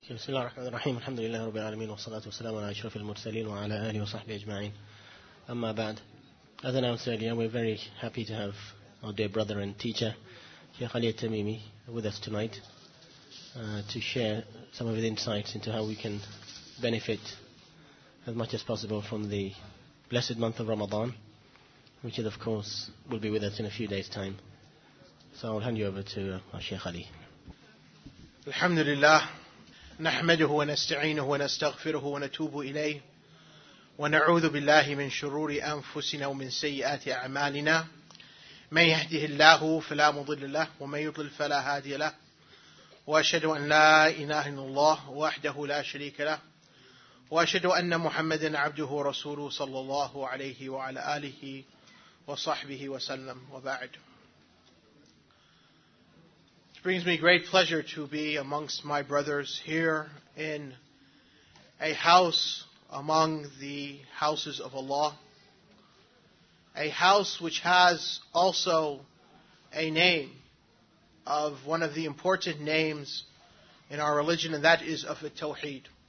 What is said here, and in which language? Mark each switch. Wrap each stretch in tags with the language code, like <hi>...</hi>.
<ar>بسم الله الرحمن الرحيم، الحمد لله رب العالمين، والصلاة والسلام على أشرف المرسلين وعلى آله وصحبه أجمعين. أما بعد،</ar> <en>as announced earlier, we're very happy to have our dear brother and teacher, Sheikh Ali Tamimi, with us tonight to share some of his insights into how we can benefit as much as possible from the blessed month of Ramadan, which is, of course, will be with us in a few days' time. So I'll hand you over to our Sheikh Ali. Alhamdulillah.</en> <ar>نحمده ونستعينه ونستغفره ونتوب إليه ونعوذ بالله من شرور أنفسنا ومن سيئات أعمالنا من يهده الله فلا مضل له ومن يضلل فلا هادي له وأشهد أن لا إله إلا الله وحده لا شريك له وأشهد أن محمدا عبده ورسوله صلى الله عليه وعلى آله وصحبه وسلم وبعد.</ar> <en>It brings me great pleasure to be amongst my brothers here in a house among the houses of Allah, a house which has also a name of one of the important names in our religion, and that is of Tawheed.</en>